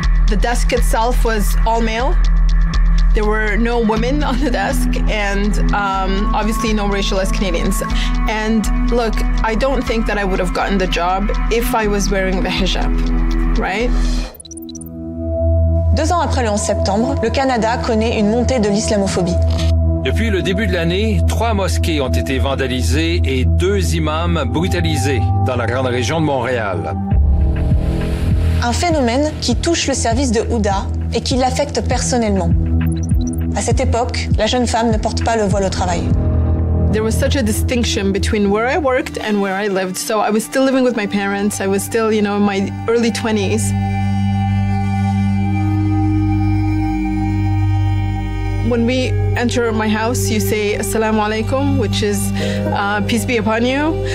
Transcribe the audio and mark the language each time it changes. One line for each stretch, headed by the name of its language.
English: The desk itself was all male. There were no women on the desk and obviously no racialized Canadians. And look, I don't think that I would have gotten the job if I was wearing the hijab, right?
French: 2 ans après le 11 septembre, le Canada connaît une montée de l'islamophobie. Depuis le début de l'année, 3 mosquées ont été vandalisées et 2 imams brutalisés dans la grande région de Montréal. Un phénomène qui touche le service de Huda et qui l'affecte personnellement. À cette époque, la jeune femme ne porte pas le voile au travail.
English: There was such a distinction between where I worked and where I lived. So I was still living with my parents, I was still, you know, in my early 20s. When we enter my house, you say
Arabic: assalamu alaikum,
English: which is peace be upon you.